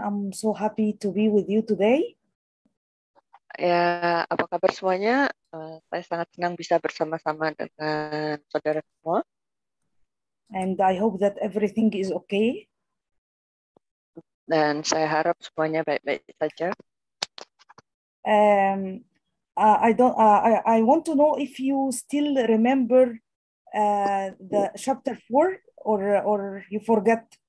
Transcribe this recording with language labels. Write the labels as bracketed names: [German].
[English] I'm so happy to be with you today. [Indonesian] Ya, apa kabar semuanya? Saya sangat senang bisa bersama-sama dengan saudara semua. [English] And I hope that everything is okay. [Indonesian] Dan saya harap semuanya baik-baik saja. [English] I want to know if you still remember the chapter 4 or you forget.